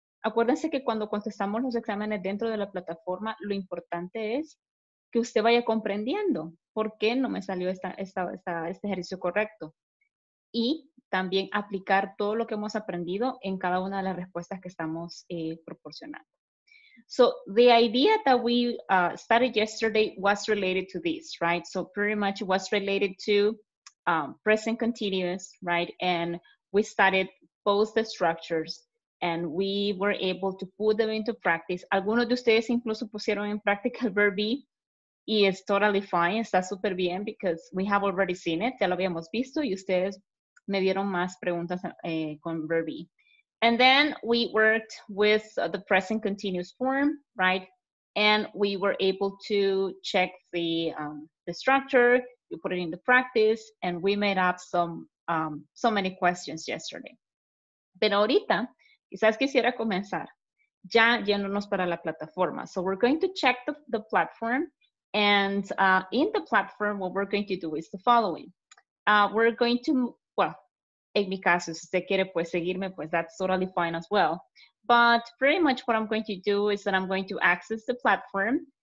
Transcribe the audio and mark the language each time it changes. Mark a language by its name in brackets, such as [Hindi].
[Spanish] Acuérdense que cuando contestamos los exámenes dentro de la plataforma, lo importante es que usted vaya comprendiendo por qué no me salió este ejercicio correcto. Y también aplicar todo lo que hemos aprendido en cada una de las respuestas que estamos proporcionando. [English] So, the idea that we started yesterday was related to this, right? So, pretty much was related to present continuous, right? And we studied both the structures and we were able to put them into practice. [Spanish] Algunos de ustedes incluso pusieron en práctica el verb be. Y es [English] totally fine, [Spanish] está súper bien, [English] because we have already seen it, [Spanish] ya lo habíamos visto, y ustedes me dieron más preguntas con verb be. [English] And then we worked with the present continuous form, right? And we were able to check the structure, you put it into practice, and we made up so many questions yesterday. [Spanish] Pero ahorita, quizás quisiera comenzar ya yéndonos para la plataforma. [English] So we're going to check the platform, and in the platform, what we're going to do is the following. We're going to, well, [Spanish] en mi caso, si usted quiere pues seguirme, pues [English] that's totally fine as well. But pretty much what I'm going to do is that I'm going to access the platform.